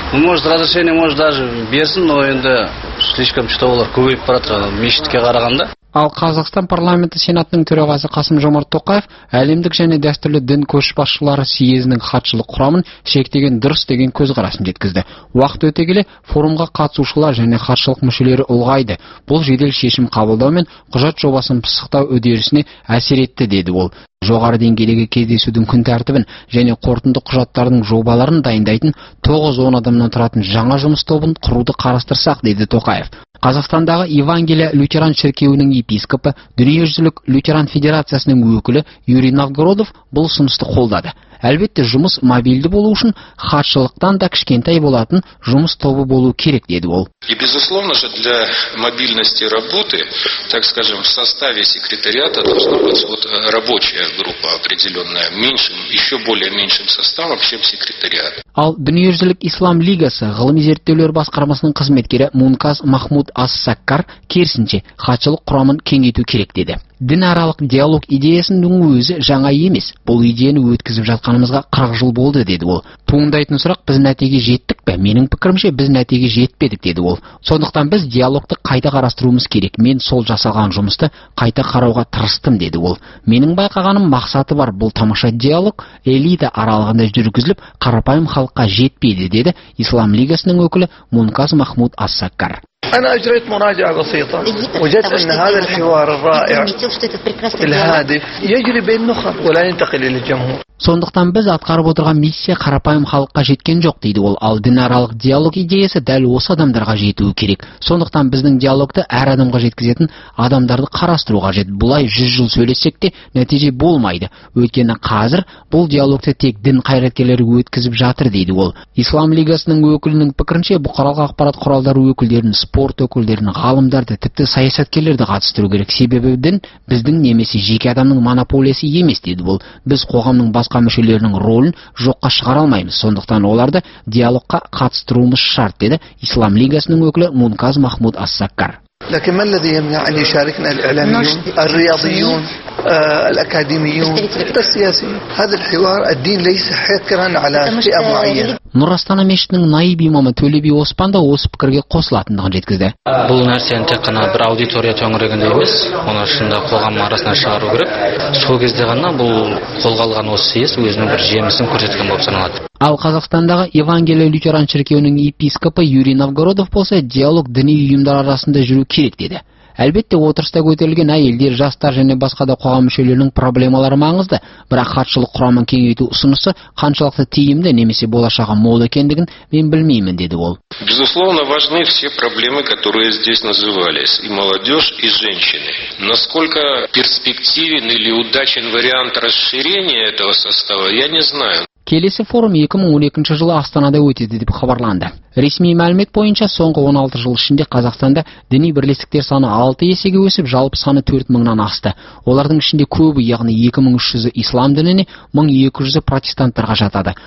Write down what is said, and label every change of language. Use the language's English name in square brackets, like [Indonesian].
[Russian] Ну может разрешение может даже [Kyrgyz] берсин, [Russian] но [Kyrgyz] энди [Russian] слишком что-то [Kyrgyz] алар көбөйүп баратыр мешитке караганда. [Kazakh] Ал Қазақстан парламенті сенатының төрағасы Қасым Жомарт Тоқаев әлемдік және дәстүрлі дін көшбасшылары съезінің хатшылық құрамын шектеген дұрыс деген көзқарасын жеткізді. Уақыт өте келе форумға қатысушылар және хатшылық мүшелері ұлғайды. Бұл жедел шешім қабылдау мен құжат жобасын пысықтау үдерісіне әсер етті, деді ол. Жоғары деңгейдегі кездесудің күн тәртібін және қорытынды құжаттардың жобаларын дайындайтын 9-10 адамнан тұратын жаңа жұмыс тобын құруды қарастырсақ, деді Тоқаев. Қазақстандағы Евангелия лютеран шіркеуінің епископы, дүниежүзілік лютеран федерациясының өкілі Юрий Новгородов бұл ұсынысты қолдады. Әлбетте, жұмыс мобильді болу үшін хатшылықтан да кішкентай болатын жұмыс тобы болу керек, деді ол. [Russian] И безусловно же для мобильности работы, так скажем, в составе секретариата должна быть вот рабочая группа определенная, меньшим, еще более меньшим составом, чем секретариат. [Kazakh] Ал дүниежүзілік Ислам Лигасы ғылыми зерттеулер басқармасының қызметкері Мункас Махмуд Ас-Саккар керісінше хатшылық құрамын кеңейту керек, деді. Дінаралық диалог идеясының өзі жаңа емес. Бұл идеяны өткізіп жатқанымызға 40 жыл болды, деді ол. Туындайтын сұрақ, біз нәтиге жеттік пе? Менің пікірімше, біз нәтиге жетпедік, деді ол. Сондықтан біз диалогты қайта қарастыруымыз керек. Мен сол жасалған жұмысты қайта қарауға тырыстым, деді ол. Менің байқағаным мақсаты бар. Бұл тамаша диалог элита аралығында жүргізіліп, қарапайым халыққа жетпейді, деді Ислам Лигасының өкілі Мункас Махмуд Ас-Саккар. [Arabic] أنا أجريت مراجعة بسيطة وجدت أن هذا الحوار الرائع الهادف يجري بين النخب ولا ينتقل إلى الجمهور. [Kazakh] Сондықтан біз атқарып отырған миссия қарапайым халыққа жеткен жоқ, дейді ол. Ал дінаралық диалог идеясы дәл осы адамдарға жетуі керек. Сондықтан біздің диалогты әр адамға жеткізетін адамдарды қарастыру қажет. Бұлай 100 жыл сөйлессек те нәтиже болмайды. Өйткені қазір бұл диалогты тек дін қайраткерлері өткізіп жатыр, дейді ол. Ислам Лигасының өкілінің пікірінше, бұқаралық ақпарат құралдары өкілдерін, спорт өкілдерін, ғалымдарды, тіпті саясаткерлерді қатыстыру керек. Себебі дін біздің немесе жеке адамның монополиясы емес, дейді ол. Біз қоғамның басқа мүшелерінің ролін жоққа шығара алмаймыз. Сондықтан оларды диалогқа қатыстыруымыз шарт, деді Ислам Лигасының өкілі Мункас Махмуд Ас-Саккар. [Arabic] لكن ما الذي يمنع أن يشاركنا الإعلاميون الرياضيون الأكاديميون السياسيين هذا الحوار الدين ليس حكرا على فئة معينة [Kazakh] Нұр Астана мешітінің наиб имамы Төлеби Оспан да осы пікірге қосылатындығын жеткізді. Бұл нәрсені тек қана бір аудитория төңірегінде емес, оны шында қоғам арасына шығару керек. Сол кезде ғана бұл қолға алған осы сес өзінің бір жемісін көрсеткен болып саналады. Ал Қазақстандағы Евангелия лютеран шіркеуінің епископы Юрий Новгородов болса, диалог діни ұйымдар арасында жүру керек, деді. Әлбетте, отырыста көтерілген әйелдер, жастар және басқа да қоғам мүшелерінің проблемалары маңызды, бірақ хатшылық құрамын кеңейту ұсынысы қаншалықты тиімді немесе болашағы мол екендігін мен білмеймін, деді ол. [Russian] Безусловно, важны все проблемы, которые здесь назывались, и молодежь, и женщины. Насколько перспективен или удачен вариант расширения этого состава, я не знаю. [Kazakh] Келесі форум 2012 жылы Астанада өтеді, деп хабарланды. Ресми мәлімет бойынша соңғы 16 жыл ішінде Қазақстанда діни бірлестіктер саны 6 есеге өсіп, жалпы саны 4000-нан асты. Олардың ішінде көбі, яғни 2300-і ислам дініне, 1200-і протестанттарға жатады.